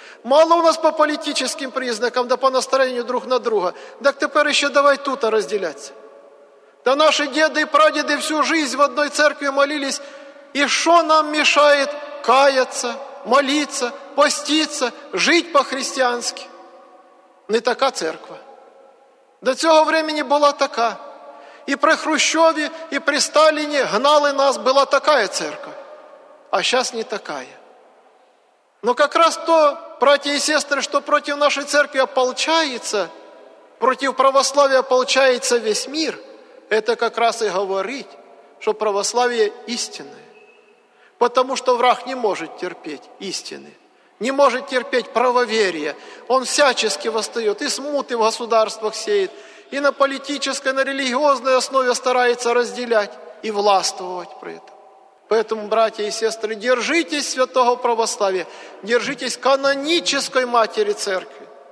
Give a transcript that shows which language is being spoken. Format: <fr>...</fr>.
<ru>Мало у нас по политическим признакам, да по настроению друг на друга. Так теперь еще давай тут разделяться. Да наши деды и прадеды всю жизнь в одной церкви молились. И что нам мешает каяться, молиться, поститься, жить по-христиански?</ru> <uk>Не така церква. До цього времени була така. І при Хрущові, і при Сталіні гнали нас, була такая церква. А зараз не такая.</uk> <ru>Но как раз то,</ru> <uk>браті і сестри, що проти нашої церкви ополчається, проти православ'я ополчається весь мир, це как раз і говорить, що православ'я істинне. Потому що враг не може терпіти істини.</uk> <ru>Не может терпеть правоверие. Он всячески восстает и смуты в государствах сеет, и на политической, на религиозной основе старается разделять и властвовать при этом. Поэтому, братья и сестры, держитесь святого православия, держитесь канонической матери церкви.</ru>